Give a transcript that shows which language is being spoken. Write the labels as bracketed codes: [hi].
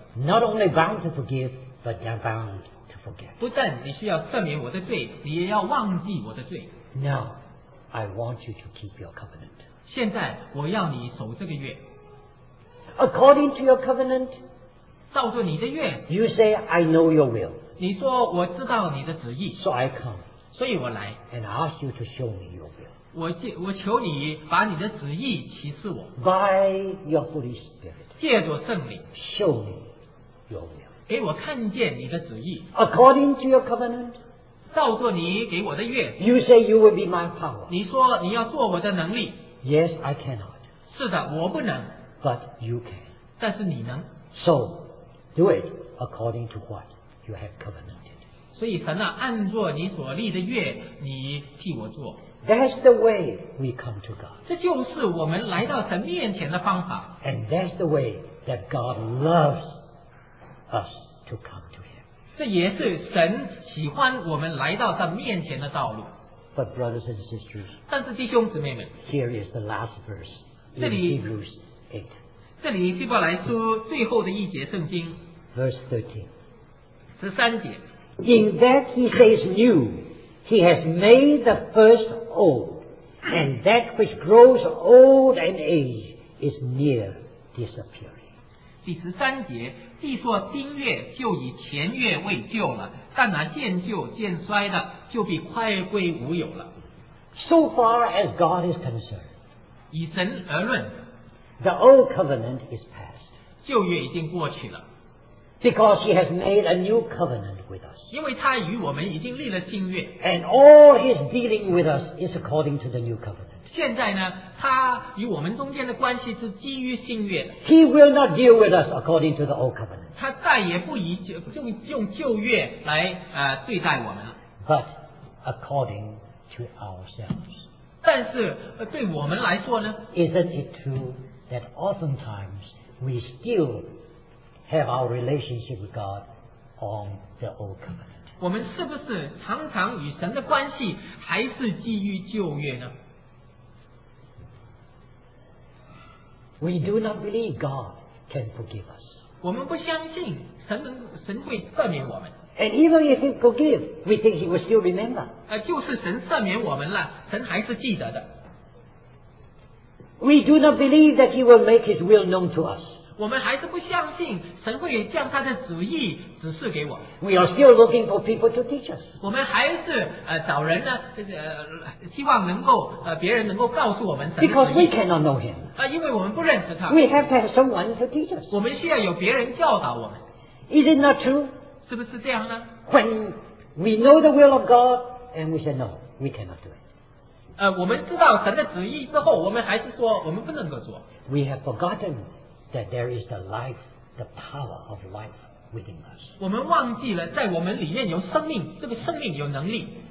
[en] Not only bound to forgive, but you're bound to forget. [zh] 不但你需要赦免我的罪，你也要忘记我的罪。 [en] Now, I want you to keep your covenant. [zh] 现在我要你守这个约。 [en] According to your covenant, [zh] 照着你的约。 [en] You say I know your will. [zh] 你说我知道你的旨意。 [en] So I come. [zh] 所以我来。 [en] And I ask you to show me your will. [zh] 我求你把你的旨意启示我。 [en] By your Holy Spirit. [zh] 借着圣灵。 [en] Show me your will. [zh] 给我看见你的旨意。 [en] According to your covenant. [zh] 照着你给我的约。 [en] You say you will be my power. [zh] 你说你要做我的能力。 [en] Yes, I cannot. [zh] 是的，我不能。 [en] But you can. [zh] 但是你能。 [en] So, do it according to what you have covenanted. [zh] 所以神啊，按着你所立的约，你替我做。 [en] That's the way we come to God. [zh] 这就是我们来到神面前的方法。 [en] And that's the way that God loves us to come to Him. [zh] 这也是神喜欢我们来到他面前的道路。 [en] But brothers and sisters, [zh] 但是弟兄姊妹们， [en] here is the last verse in Hebrews 8. [zh] 这里希伯来书最后的一节圣经。 [en] Verse 13. [zh] 十三节。 [en] In that He says new, He has made the first old, and that which grows old and age is near disappearing. [zh] 第十三节，既说新月就以前月为旧了，但那渐旧渐衰的就必快归无有了。 [en] So far as God is concerned, [zh] 以神而论， [en] the old covenant is past. [zh] 旧约已经过去了。 [en] Because he has made a new covenant with us. [zh] 因为他与我们已经立了新约。 [en] And all his dealing with us is according to the new covenant. [zh] 现在呢，他与我们中间的关系是基于新约。 [en] He will not deal with us according to the old covenant. [zh] 他再也不用旧约来对待我们了。 [en] But according to ourselves. [zh] 但是对我们来说呢？ [en] Isn't it true that oftentimes we still have our relationship with God on the old covenant. [zh] 我们是不是常常与神的关系还是基于旧约呢？ [en] We do not believe God can forgive us. [zh] 我们不相信神会赦免我们。 [en] And even if He forgives, we think He will still remember. [zh] 就是神赦免我们了，神还是记得的。 [en] We do not believe that He will make His will known to us. [zh] 我们还是不相信神会将他的旨意指示给我。 [en] We are still looking for people to teach us. [zh] 我们还是找人呢，希望能够别人能够告诉我们神的旨意。 [en] Because we cannot know him. [zh] 因为我们不认识他。 [en] We have to have someone to teach us. [zh] 我们需要有别人教导我们。 [en] Is it not true? [zh] 是不是这样呢？ [en] When we know the will of God and we say no, we cannot do it. [zh] 我们知道神的旨意之后，我们还是说我们不能够做。 [en] We have forgotten that there is the life, the power of life within us. [zh] 我们忘记了在我们里面有生命，这个生命有能力。